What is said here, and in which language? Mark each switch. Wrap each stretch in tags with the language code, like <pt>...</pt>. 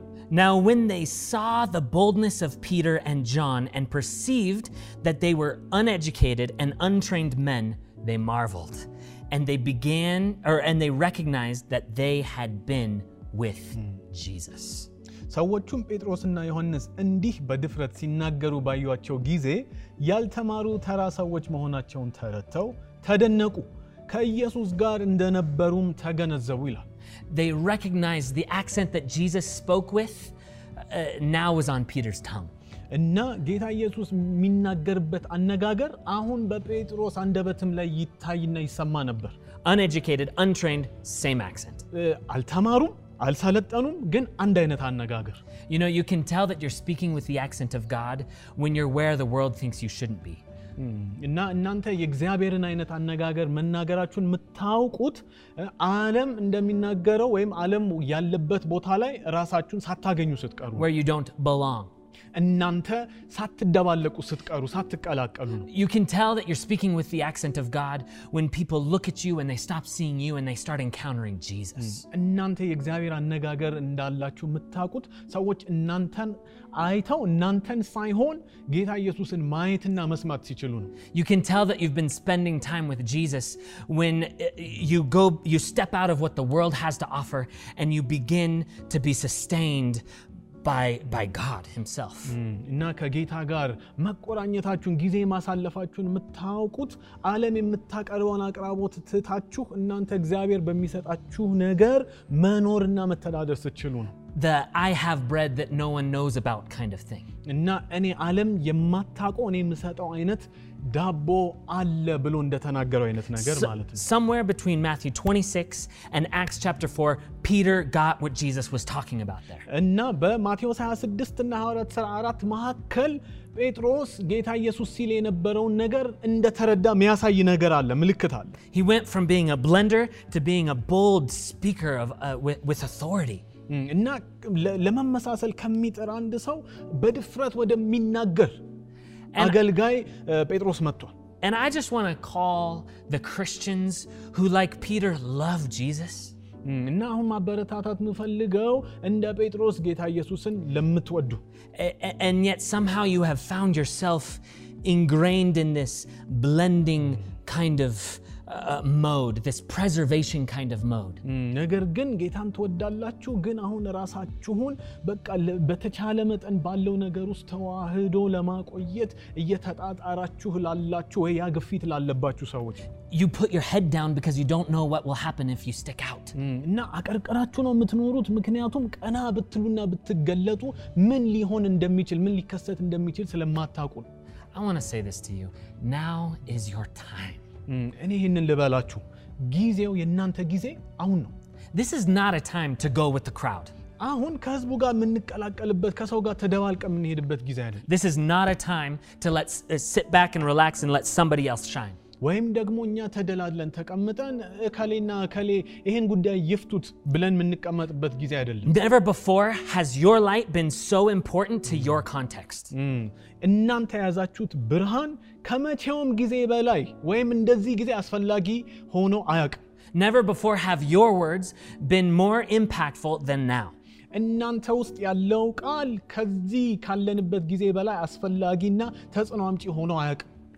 <en>Now when they saw the boldness of Peter and John and perceived that they were uneducated and untrained men, they marveled. And they recognized that they had been with Jesus.</en> <am>ሰዎቹም ጴጥሮስና ዮሐንስ እንዲህ በድፍረት ሲናገሩ ባዩአቸው ጊዜ ያልተማሩ ተራ ሰዎች መሆናቸውን ተረድተው ተደነቁ። ከኢየሱስ ጋር እንደነበሩም ተገነዘቡ ይላል።</am> <en>They recognized the accent that Jesus spoke with now was on Peter's tongue.</en> <am>እና ጌታ ኢየሱስ የሚናገርበት አነጋገር አሁን በጴጥሮስ አንደበትም ላይ ይታይና ይሰማ ነበር።</am> <en>Uneducated, untrained, same accent.</en> <am>አልተማሩም አልሰለጠኑም ግን አንድ አይነት አነጋገር።</am> <en>You know, you can tell that you're speaking with the accent of God when you're where the world thinks you shouldn't be.</en> <am>እና እናንተ የእግዚአብሔርን አይነት አነጋገር መናገራችሁን ምታውቁት ዓለም እንደሚናገረው ወይም ዓለም ያለበት ቦታ ላይ ራሳችሁን ሳታገኙ ስትቀሩ።</am> <en>Where you don't belong.</en> <am>እናንተ ሳትደባለቁ ስትቀሩ ሳትቀላቀሉ።</am> <en>You can tell that you're speaking with the accent of God when people look at you and they stop seeing you and they start encountering Jesus.</en> <am>እናንተ የእግዚአብሔር አነጋገር እንዳላችሁ ምታውቁት ሰዎች እናንተን አይተው እናንተን ሳይሆን ጌታ ኢየሱስን ማየትና መስማት ሲችሉ ነው።</am> <en>You can tell that you've been spending time with Jesus when you step out of what the world has to offer and you begin to be sustained by God himself.</en> <am>እና ከጌታ ጋር መቆራኘታችሁን ጊዜ ማሳለፋችሁን ምታውቁት ዓለም የምታቀርበውን አቅራቦት ትታችሁ እናንተ እግዚአብሔር በሚሰጣችሁ ነገር መኖርና መተዳደር ስትችሉ ነው።</am> <en>The I have bread that no one knows about kind of thing.</en> <am>እና እኔ ዓለም የማታቆ እኔ የምሰጠው አይነት ዳቦ አለ ብሎ እንደተናገረው አይነት ነገር ማለት ነው።</am> <en>Somewhere between Matthew 26 and Acts chapter 4, Peter got what Jesus was talking about there.</en> <am>እና በማቴዎስ 26 እና 24 መሐከል ጴጥሮስ ጌታ ኢየሱስ ሲል የነበረው ነገር እንደተረዳ የሚያሳይ ነገር አለ ምልክት አለ።</am> <en>He went from being a blender to being a bold speaker of with authority.</en> <am>እና ለመመሳሰል ከመጥራ አንድ ሰው በድፍረት ወደሚናገር አገልጋይ ጴጥሮስ መጥቷል።</am> <en>And I just want to call the Christians who like Peter love Jesus.</en> <am>እና አሁን ማበረታታት ምፈልገው እንደ ጴጥሮስ ጌታ ኢየሱስን ለምትወዱ።</am> <en>And yet somehow you have found yourself ingrained in this blending kind of mode, this preservation kind of mode.</en> <am>ነገር ግን ጌታን ትወዳላችሁ ግን አሁን ራሳችሁን በቃ በተቻለ መጠን ባለው ነገር ውስጥ ተዋህዶ ለማቆየት እየተጣጣራችሁ ላላችሁ ወይ ያግፊት ላለባችሁ ሰዎች</am> <en>You put your head down because you don't know what will happen if you stick out.</en> <am>እና አቀርቀራችሁ ነው የምትኖሩት ምክንያቱም ቀና ብትሉና ብትገለጡ ምን ሊሆን እንደሚችል ምን ሊከሰት እንደሚችል ስለማታውቁ።</am> <en>I want to say this to you. Now is your time.</en> <am>እኔን ልበላችሁ ጊዜው የናንተ ጊዜ አሁን ነው።</am> <en>This is not a time to go with the crowd.</en> <am>አሁን ከህዝቡ ጋር ምንቀላቀልበት ከሰው ጋር ተደባልቀ ምንሄድበት ጊዜ አይደለም።</am> <en>This is not a time to let's sit back and relax and let somebody else shine.</en> <am>ወይም ደግሞ እኛ ተደላድለን ተቀምጠን እከሌና እከሌ ይሄን ጉዳይ ይፍቱት ብለን ምንቀመጥበት ጊዜ አይደለም።</am> <en>Never before has your light been so important to your context.</en> <am>እናንተ ያዛችሁት ብርሃን ከመቼውም ጊዜ በላይ ወይም እንደዚህ ጊዜ አስፈልጊ ሆኖ አያውቅም።</am> <en>Never before have your words been more impactful than now.</en> <am>እናንተ ውስጥ ያለው ቃል ከዚህ ካለንበት ጊዜ በላይ አስፈልጊና ተጽዕኖ አምጪ ሆኖ አያውቅም።</am>